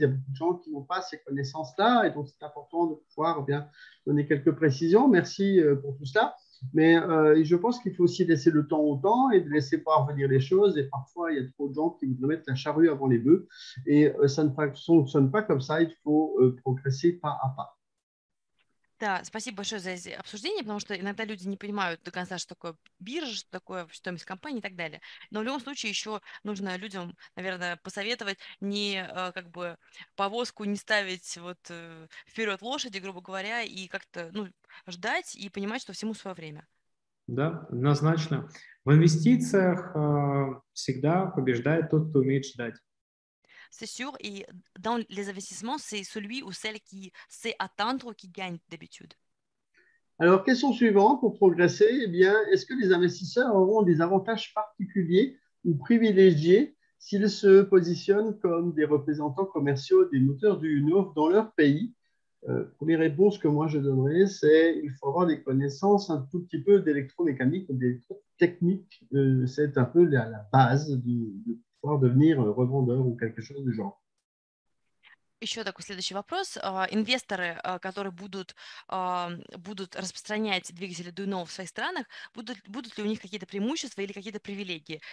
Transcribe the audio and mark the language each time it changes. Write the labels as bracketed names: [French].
[French] Il y a beaucoup de gens qui n'ont pas ces connaissances-là et donc c'est important de pouvoir bien donner quelques précisions. Merci pour tout cela. Mais je pense qu'il faut aussi laisser le temps au temps et de laisser pouvoir venir les choses. Et parfois, il y a trop de gens qui voudraient mettre la charrue avant les bœufs et ça ne fonctionne pas comme ça. Il faut progresser pas à pas. [Russian] Да, спасибо большое за обсуждение, потому что иногда люди не понимают до конца, что такое биржа, что такое стоимость компании и так далее. Но в любом случае еще нужно людям, наверное, посоветовать не как бы повозку не ставить вот вперед лошади, грубо говоря, и как-то ну, ждать и понимать, что всему свое время. Да, однозначно. В инвестициях всегда побеждает тот, кто умеет ждать. [French] C'est sûr, et dans les investissements, c'est celui ou celle qui sait attendre qui gagne d'habitude. Alors, question suivante pour progresser. Eh bien, est-ce que les investisseurs auront des avantages particuliers ou privilégiés s'ils se positionnent comme des représentants commerciaux des moteurs du Nord dans leur pays? Pour les réponses que moi je donnerais, c'est il faut avoir des connaissances un tout petit peu d'électromécanique ou d'électrotechnique. C'est un peu la base de devenir revendeur ou quelque chose du genre. [Russian] Еще такой следующий вопрос. Инвесторы, которые будут распространять двигатели Duno в своих странах, будут ли у них какие-то преимущества или какие-то привилегии?